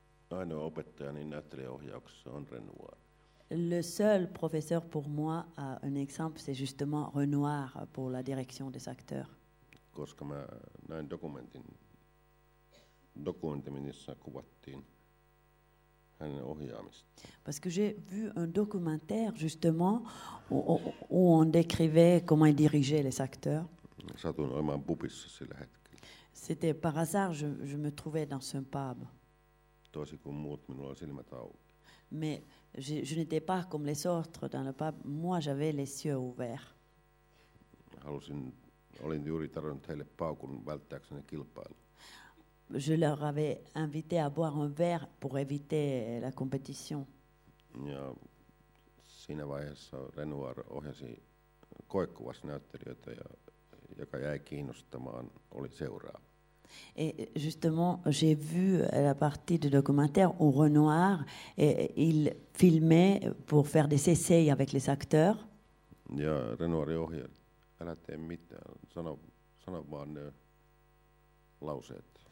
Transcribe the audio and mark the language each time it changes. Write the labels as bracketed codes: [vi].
[fi] Ainoa opettajani näyttelijäohjauksessa on Renoir. [fr] Le seul professeur pour moi, un exemple, c'est justement Renoir pour la direction des acteurs. [fi] Koska mä näin dokumentin, missä kuvattiin hänen ohjaamista. [fr] Parce que j'ai vu un documentaire justement où on décrivait comment il dirigeait les acteurs. [fi] Satuin olemaan pubissa sillä hetkellä. [fr] C'était par hasard, je me trouvais dans un pub. [fi] Toisin kuin muut, minulla oli silmät auki. [fr] Mais je n'étais pas comme les autres dans le pub, moi j'avais les yeux ouverts. [fi] Halusin, olin juuri tarjonnut heille paukun välttääkseni kilpailu. [fr] Je leur avais invité à boire un verre pour éviter la compétition. [fi] Ja siinä vaiheessa Renoir ohjasi koekuvassa näyttelijöitä, joka jäi kiinnostamaan, oli seuraava. [fr] Et justement, j'ai vu la partie du documentaire où Renoir, et il filmait pour faire des essais avec les acteurs. [fi] Ja Renoir ohjaa, älä tee mitään, sano vaan ne lauseet.